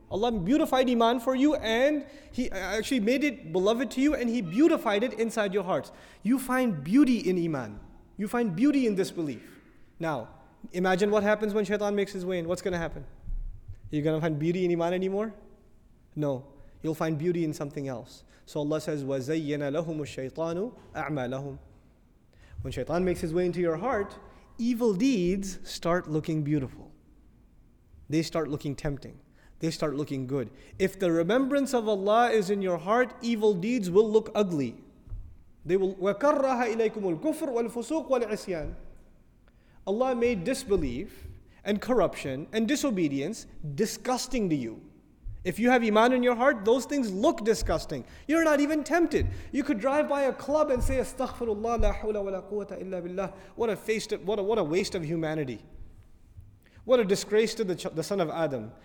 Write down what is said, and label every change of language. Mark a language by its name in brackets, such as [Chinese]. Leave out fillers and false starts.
[English] Allah beautified iman for you, and He actually made it beloved to you, and He beautified it inside your hearts. You find beauty in iman. You find beauty in this belief. Now, imagine what happens when shaitan makes his way in. What's going to happen? Are you going to find beauty in iman anymore? No. You'll find beauty in something else. So Allah says, [Arabic] وَزَيَّنَ لَهُمُ الشَّيْطَانُ أَعْمَالَهُمْ. [English] When shaitan makes his way into your heart, evil deeds start looking beautiful. They start looking tempting. They start looking good. If the remembrance of Allah is in your heart, evil deeds will look ugly. They will, [Arabic] وَكَرَّهَ إِلَيْكُمُ الْكُفْرُ وَالْفُسُوقُ وَالْعِسْيَانُ. [English] Allah made disbelief and corruption and disobedience disgusting to you. If you have iman in your heart, those things look disgusting. You're not even tempted. You could drive by a club and say, [Arabic] Astaghfirullah, la hawla wa la quwwata illa billah. [English] What a waste of humanity. What a disgrace to the son of Adam.